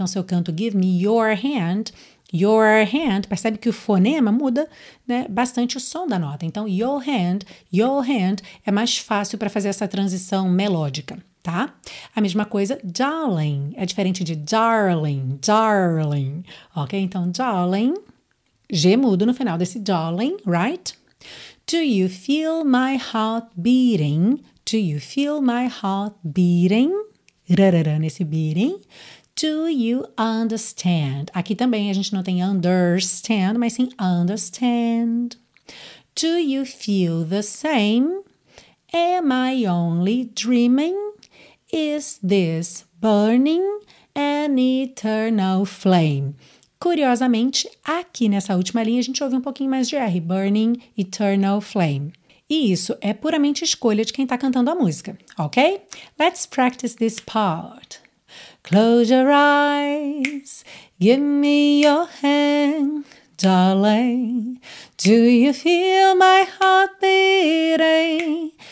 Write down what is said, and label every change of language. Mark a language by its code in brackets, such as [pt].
[pt] Então, se eu canto [en] give me your hand, your hand, [pt] percebe que o fonema muda, né, bastante o som da nota. Então, your hand é mais fácil para fazer essa transição melódica, tá? A mesma coisa, darling, é diferente de darling, darling, ok? Então, darling, G mudo no final desse darling, right? [en] Do you feel my heart beating? Do you feel my heart beating? Rarara nesse beating. Do you understand? [pt] Aqui também a gente não tem understand, mas sim understand. [en] Do you feel the same? Am I only dreaming? Is this burning an eternal flame? [pt] Curiosamente, aqui nessa última linha a gente ouve um pouquinho mais de R, [en] burning eternal flame. [pt] E isso é puramente escolha de quem está cantando a música, ok? [en] Let's practice this part. Close your eyes, give me your hand, darling. Do you feel my heart beating?